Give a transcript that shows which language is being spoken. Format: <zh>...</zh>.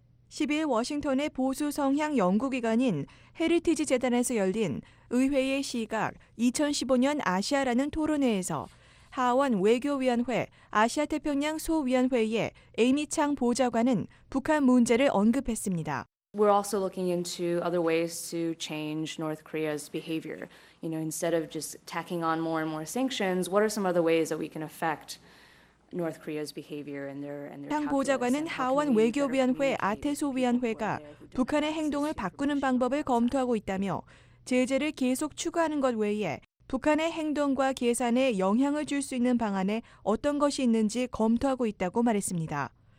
<ko>12일 워싱턴의 보수 성향 연구기관인 헤리티지 재단에서 열린 의회의 시각 2015년 아시아라는 토론회에서 하원 외교위원회 아시아태평양 소위원회의 에이미 창 보좌관은 북한 문제를 언급했습니다.</ko> <en>We're also looking into other ways to change North Korea's behavior. You know, instead of just tacking on more and more sanctions, what are some other ways that we can affect North Korea's behavior and their calculus.</en> <ko>향 보좌관은 하원 외교위원회 아테소 위원회가 북한의 행동을 바꾸는 방법을 검토하고 있다며 제재를 계속 추구하는 것 외에 북한의 행동과 계산에 영향을 줄 수 있는 방안에 어떤 것이 있는지 검토하고 있다고 말했습니다.</ko>